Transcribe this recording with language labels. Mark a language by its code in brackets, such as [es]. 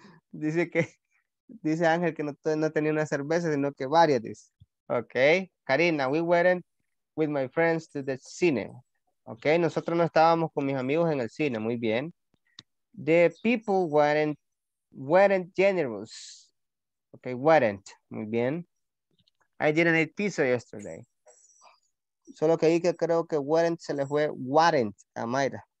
[es] Dice que dice Ángel que no tenía una cerveza, sino que varias, dice. [en] Okay. Karina, we weren't with my friends to the cine. [es] Okay, nosotros no estábamos con mis amigos en el cine. Muy bien. [en] The people weren't generous. Okay, weren't. Muy bien. I didn't eat pizza yesterday. [es] Solo que dije, creo que weren't se le fue weren't a Mayra.